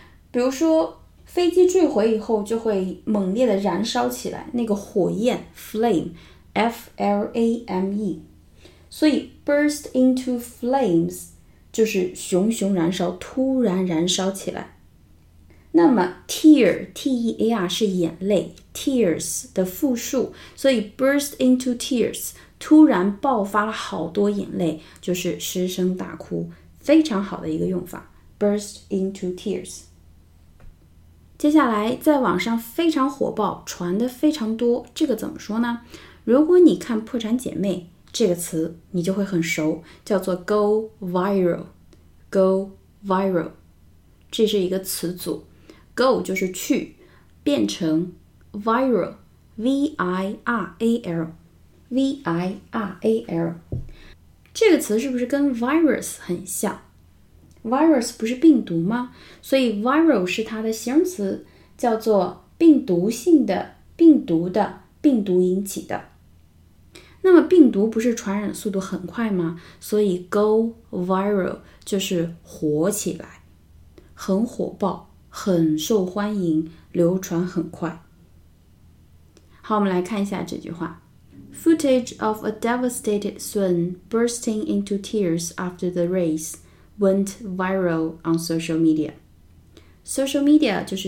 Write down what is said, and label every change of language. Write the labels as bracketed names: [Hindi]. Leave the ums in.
[Chinese] 比如说飞机坠毁以后就会猛烈的燃烧起来，那个火焰 flame，f l a m e，所以 [English] burst into flames [Chinese] 就是熊熊燃烧，突然燃烧起来。那么 tear t e a r 是眼泪，tears 的复数，所以 [English] burst into tears。 [Chinese] 突然爆发了好多眼泪，就是失声大哭，非常好的一个用法， [English] burst into tears。 [Chinese] 接下来在网上非常火爆，传的非常多。这个怎么说呢？如果你看《破产姐妹》这个词，你就会很熟，叫做 [English] go viral，go viral。 [Chinese] 这是一个词组，go 就是去，变成 viral，v i r a l。 viral 这个词是不是跟 virus 很像？virus 不是病毒吗？所以 viral 是它的形容词，叫做病毒性的、病毒的、病毒引起的。那么病毒不是传染速度很快吗？所以 [English] go viral [Chinese] 就是火起来，很火爆，很受欢迎，流传很快。好，我们来看一下这句话。 [English] Footage of a devastated Sun bursting into tears after the race went viral on social media. Social media